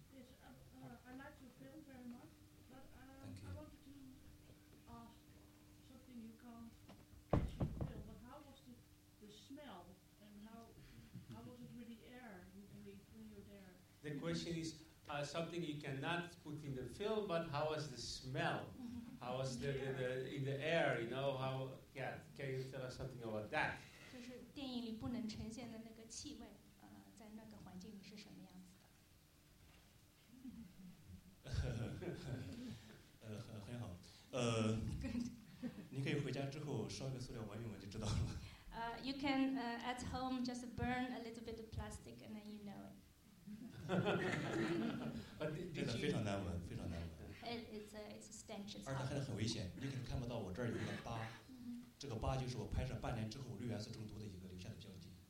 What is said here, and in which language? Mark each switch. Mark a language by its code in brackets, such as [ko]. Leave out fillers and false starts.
[en] Yes, I like your film very much, but I wanted to ask something you can't catch in the film, but how was the smell, and how was it really air when you were there? The question is something you cannot put in the film, but how was the smell? How was the in the air, you know? How? Yeah, can you tell us something about that? [zh] 就是电影里不能呈现的那个气味，在那个环境里是什么样子的？很好。你可以回家之后烧一个塑料闻一闻就知道了。 [en] You can at home just burn a little bit of plastic and then you know it. But [zh] 非常难闻，非常难闻。 [en] It's a stench. [zh] 而且还很危险，你可能看不到我这儿有一个疤，这个疤就是我拍摄半年之后绿原色中毒的一个留下的标记。